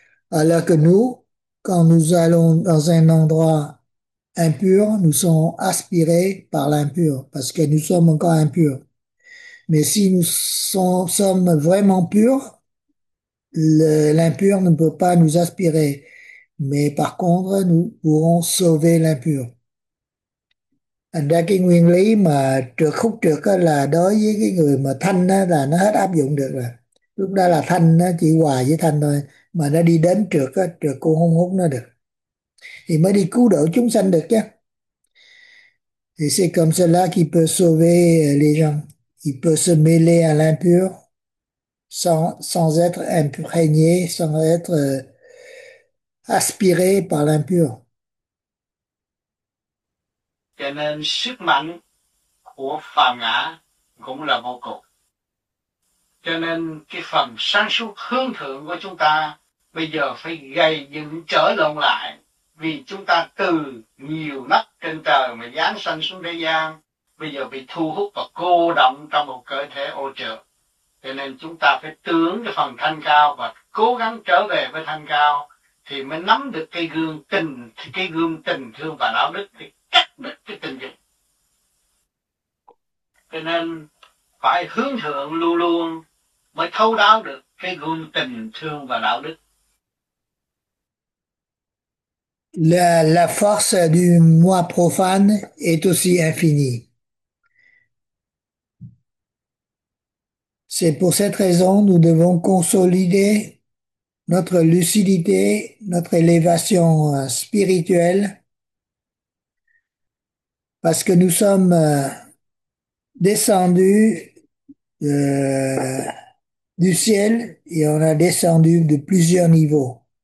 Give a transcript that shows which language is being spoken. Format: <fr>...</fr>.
<fr>Alors que nous, quand nous allons dans un endroit impur, nous sommes aspirés par l'impur, parce que nous sommes encore impurs. Mais si nous sommes vraiment purs, l'impur ne peut pas nous aspirer. Mais par contre, nous pourrons sauver l'impur.</fr> <vi>Đó cái nguyên lý mà trượt khúc trượt đó là đối với cái người mà thanh đó là nó hết áp dụng được rồi. Lúc đó là thanh nó chỉ hòa với thanh thôi, mà nó đi đến trượt đó, trượt cũng không hút nó được. Thì mới đi cứu độ chúng sanh được chứ.</vi> <fr>Thì c'est comme cela qu'il peut sauver les gens. Il peut se mêler à l'impur sans être imprégné, sans être aspiré par l'impur.</fr> <vi>Cho nên sức mạnh của phàm ngã cũng là vô cùng. Cho nên cái phần sáng suốt hướng thượng của chúng ta bây giờ phải gầy dựng trở lộn lại, vì chúng ta từ nhiều nấc trên trời mà giáng sanh xuống thế gian, bây giờ bị thu hút và cô động trong một cơ thể ô trược. Cho nên chúng ta phải tướng cái phần thanh cao và cố gắng trở về với thanh cao thì mới nắm được cái gương tình thương và đạo đức thì cắt đứt cái tình dục. Cho nên phải hướng thượng luôn luôn mới thấu đáo được cái gương tình thương và đạo đức.</vi> <fr>La force du moi profane est aussi infinie. C'est pour cette raison que nous devons consolider notre lucidité, notre élévation spirituelle, parce que nous sommes descendus du ciel et on a descendu de plusieurs niveaux.</fr>